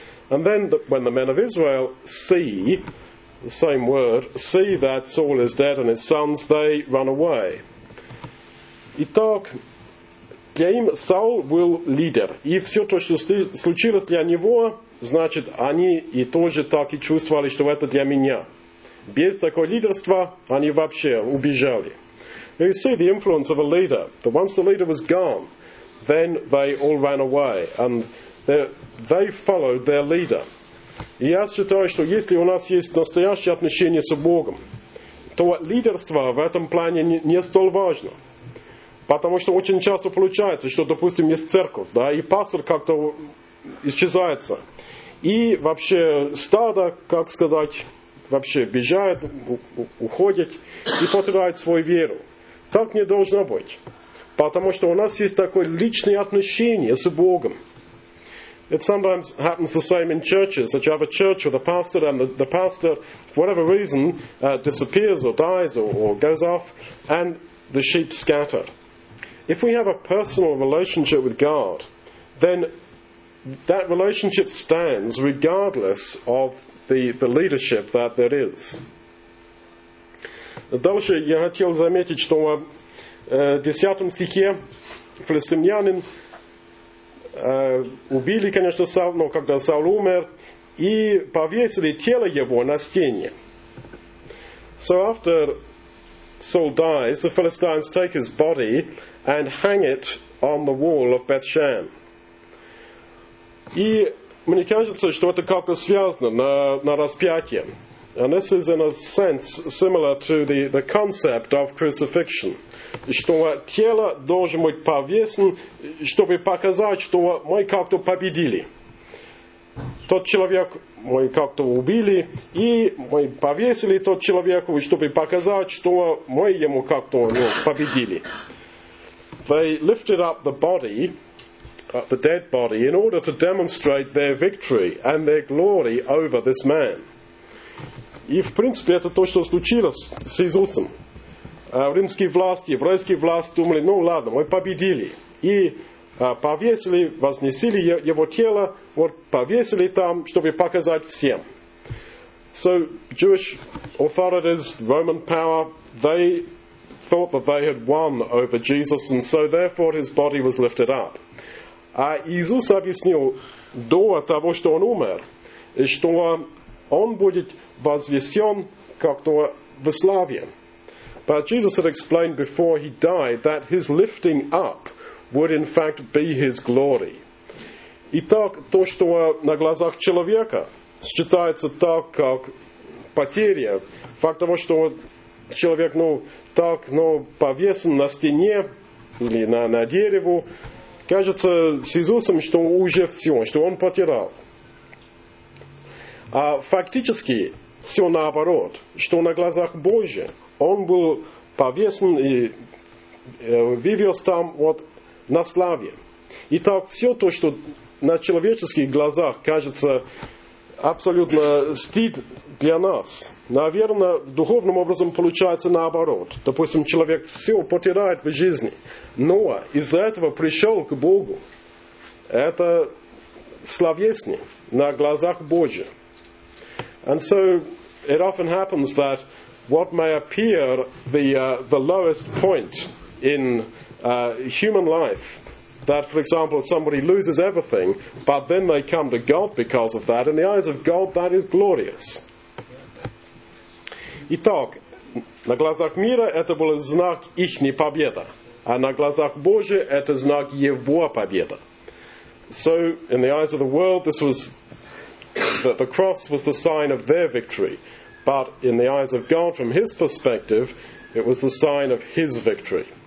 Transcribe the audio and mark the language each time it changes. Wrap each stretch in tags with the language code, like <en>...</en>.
<en>And then when the men of Israel see, the same word, see that Saul is dead and his sons, they run away.</en> <ru>Итак, для им Саул был лидер. И все то, что случилось для него, значит, они и тоже так и чувствовали, что это для меня. Без такого лидерства они вообще убежали.</ru> <en>Now you see the influence of a leader. But once the leader was gone, then they all ran away. And they followed their leader.</en> <ru>И я считаю, что если у нас есть настоящее отношение с Богом, то лидерство в этом плане не столь важно. Потому что очень часто получается, что, допустим, есть церковь, да, и пастор как-то исчезается. И вообще стадо, как сказать, вообще бежает, уходит и потеряет свою веру. Так не должно быть. Потому что у нас есть такое личное отношение с Богом.</ru> <en>It sometimes happens the same in churches, that you have a church with a pastor, and the pastor, for whatever reason, disappears or dies or goes off, and the sheep scatter. If we have a personal relationship with God, then that relationship stands regardless of the leadership that there is.</en> <ru>Дальше я хотел заметить, что в 10 стихе филистимлянин убили, конечно, Саула, но когда Саул умер, и повесили тело его на стене.</ru> <en>So after Saul dies, the Philistines take his body and hang it on the wall of Beth-Shan.</en> <ru>И мне кажется, что это как-то связано на распятие.</ru> <en>And this is, in a sense, similar to the concept of crucifixion.</en> <ru>Что тело должно быть повешено, чтобы показать, что мы как-то победили. Тот человек мы как-то убили, и мы повесили тот человеку, чтобы показать, что мы ему как-то победили.</ru> <en>They lifted up the body, the dead body, in order to demonstrate their victory and their glory over this man.</en> <ru>И, в принципе, это то, что случилось с Иисусом. Римские власти, еврейские власти думали, ну ладно, мы победили. И повесили, вознесили его тело, вот повесили там, чтобы показать всем.</ru> <en>So, Jewish authorities, Roman power, they thought that they had won over Jesus, and so therefore his body was lifted up.</en> <ru>Иисус объяснил до того, что он умер, что он будет возвещен как то во славе.</ru> <en>But Jesus had explained before he died that his lifting up would in fact be his glory.</en> <ru>Итак, то, что на глазах человека считается так, как потеря, факт того, что человек, ну, так, ну, повесен на стене или на дереву, кажется с Иисусом, что уже все, что он потерял. А фактически все наоборот, что на глазах Божьих он был повесен и вывелся там вот на славе. Итак, все то, что на человеческих глазах кажется абсолютно стыд для нас, наверное, духовным образом получается наоборот. Допустим, человек все потеряет в жизни, но из-за этого пришел к Богу. Это словеснее на глазах Божьих.</ru> <en>And so it often happens that what may appear the lowest point in human life, that, for example, somebody loses everything, but then they come to God because of that, in the eyes of God, that is glorious.</en> <ru>Итак, на глазах мира это был знак их победа, а на глазах Божьих это знак его победа.</ru> <en>So, in the eyes of the world, this was the cross was the sign of their victory, but in the eyes of God, from his perspective, it was the sign of his victory.</en>